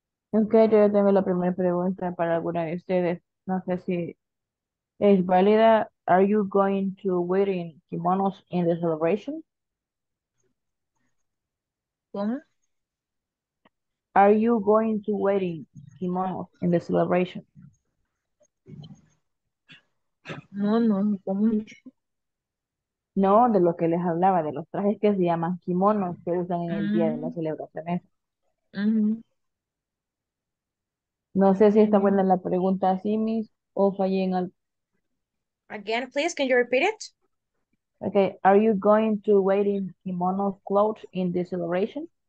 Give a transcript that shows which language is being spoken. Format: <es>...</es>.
<es>Ok, yo tengo la primera pregunta para alguna de ustedes. No sé si es válida.</es> <en>Are you going to wearing kimonos in the celebration?</en> <es>¿Cómo?</es> <en>Are you going to wearing kimonos in the celebration?</en> <es>No, de lo que les hablaba, de los trajes que se llaman kimonos que usan en el día de las celebraciones. No sé si está buena la pregunta así, Miss, o fallé en algo.</es> <en>Again, please, can you repeat it? Okay, are you going to wearing kimono clothes in this celebration?</en>